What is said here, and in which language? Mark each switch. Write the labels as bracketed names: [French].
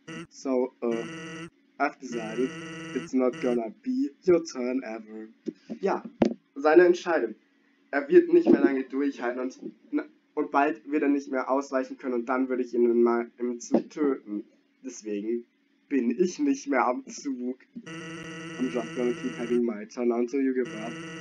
[English] So, I've decided it's not gonna be your turn ever. [German] Ja, seine Entscheidung. Er wird nicht mehr lange durchhalten und bald wird er nicht mehr ausweichen können und dann würde ich ihn mal im Zug töten. Deswegen bin ich nicht mehr am Zug. [English] I'm just gonna keep having my turn until you give up.